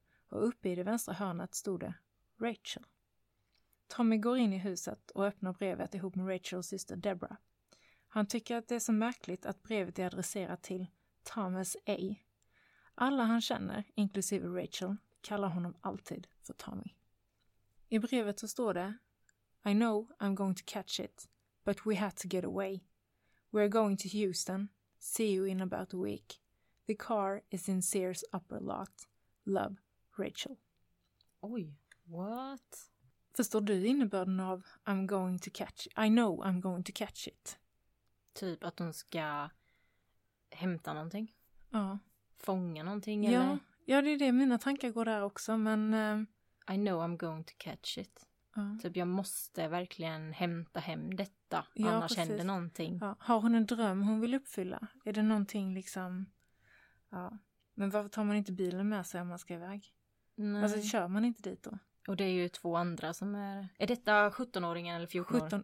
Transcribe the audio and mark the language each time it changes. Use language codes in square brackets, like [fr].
[sv] Och uppe i det vänstra hörnet stod det Rachel. Tommy går in i huset och öppnar brevet ihop med Rachels syster Deborah. Han tycker att det är så märkligt att brevet är adresserat till Thomas A. Alla han känner, inklusive Rachel, kallar honom alltid för Tommy. I brevet så står det [en] "I know I'm going to catch it, but we had to get away. We're going to Houston. See you in about a week. The car is in Sears upper lot. Love, Rachel." [sv] Oj, what? Förstår du innebörden av [en] "I'm going to catch it"? I know I'm going to catch it. [sv] Typ att hon ska hämta någonting? Ja. Fånga någonting? Ja, eller? Ja, det är det. Mina tankar går där också, men... [en] I know I'm going to catch it. [sv] Ja. Typ jag måste verkligen hämta hem detta, ja, annars händer någonting. Ja. Har hon en dröm hon vill uppfylla? Är det någonting liksom... Ja. Men varför tar man inte bilen med sig om man ska iväg? Nej. Alltså kör man inte dit då? Och det är ju två andra som är... Är detta 17-åringen eller 14-åringen?